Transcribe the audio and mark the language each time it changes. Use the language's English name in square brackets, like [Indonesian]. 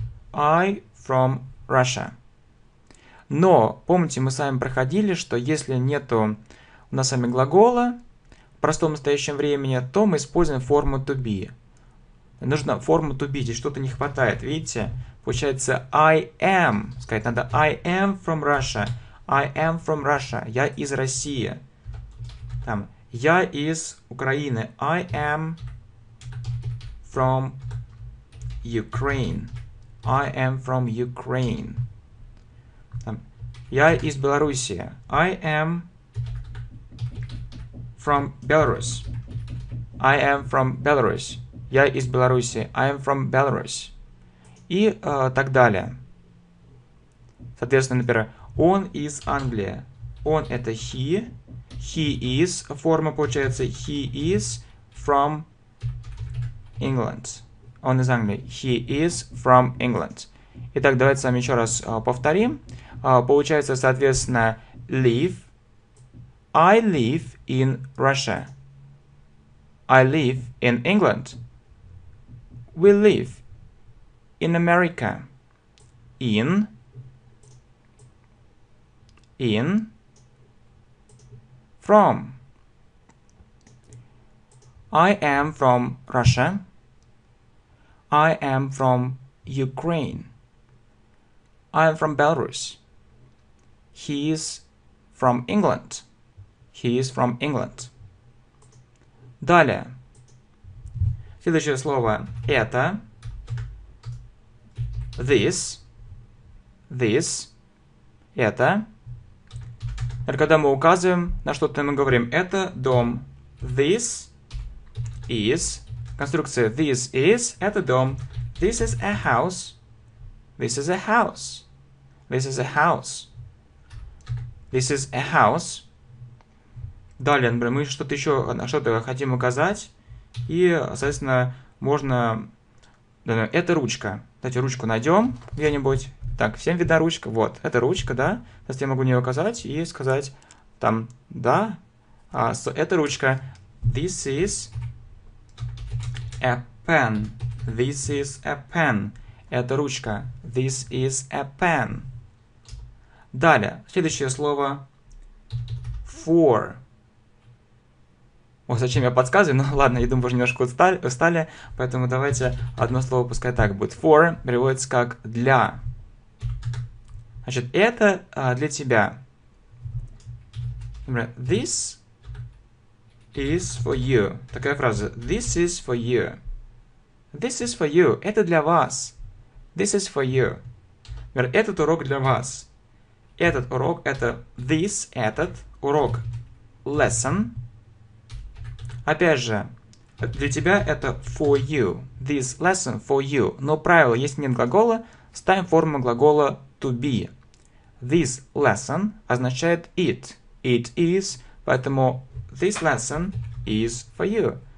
[English] I from Russia. [Russian] Но, помните, мы с вами проходили, что если нету у нас с вами глагола в простом настоящем времени, то мы используем форму to be. Нужно форму to be, здесь что-то не хватает, видите? Получается, [English] I am, [Russian] сказать надо, [English] I am from Russia. I am from Russia, [Russian] я из России. Там, я из Украины. [English] I am from Ukraine. I am from Ukraine. [Russian] Там, я из Белоруссии. [English] I am from Belarus. I am from Belarus. [Russian] Я из Беларуси. [English] I am from Belarus. [Russian] И так далее. Соответственно, например, он из Англии. Он – это [English] he. He is. [Russian] Форма получается [English] he is from England. [Russian] Он из Англии. [English] He is from England. [Russian] Итак, давайте с вами еще раз повторим. Получается, соответственно, live. [English] I live in Russia. I live in England. We live in America. In from. I am from Russia. I am from Ukraine. I am from Belarus. He is from England. He is from England. [Russian] Далее. Следующее слово – это, this, это. Это когда мы указываем на что-то, мы говорим «это дом», [English] this is, конструкция this is [Russian] – это дом, [English] this is a house, this is a house, this is a house, this is a house. [Russian] Далее, например, мы что-то еще, на что-то хотим указать. И, соответственно, можно... Да, это ручка. Давайте ручку найдем где-нибудь. Так, всем видна ручка. Вот, это ручка, да? Сейчас я могу на нее указать и сказать там, да. Это ручка. [English] This is a pen. This is a pen. [Russian] Это ручка. [English] This is a pen. [Russian] Далее, следующее слово. For. О, зачем я подсказываю? Ну ладно, я думаю, уже немножко устали, поэтому давайте одно слово пускай так будет. For переводится как для. Значит, это для тебя. Например, [English] this is for you. [Russian] Такая фраза. [English] This is for you. This is for you. [Russian] Это для вас. [English] This is for you. [Russian] Например, этот урок для вас. Этот урок, это this, этот урок. [English] Lesson. [Russian] Опять же, для тебя это for you. [English] This lesson for you. [Russian] Но правило, если нет глагола, ставим форму глагола to be. [English] This lesson означает it. It is. Поэтому this lesson is for you.